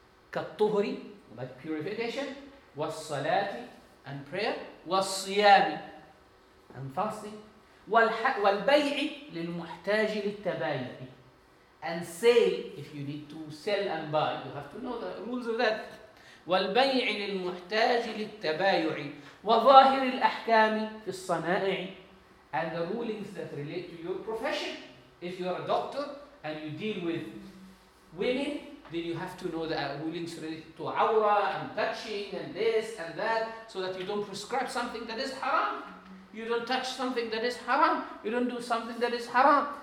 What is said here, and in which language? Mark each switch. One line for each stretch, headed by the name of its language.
Arabic: كالطهر,
English: like purification,
Arabic: والصلاة
English: and prayer,
Arabic: والصيام
English: and fasting,
Arabic: والبيع للمحتاج للتبايع.
English: And sale, if you need to sell and buy, you have to know the rules of that.
Arabic: والبيع للمحتاج للتبايع وظاهر الأحكام في الصنائع.
English: And the rulings that relate to your profession. If you are a doctor and you deal with women, then you have to know the rulings related to awra and touching and this and that, so that you don't prescribe something that is haram. You don't touch something that is haram. You don't do something that is haram.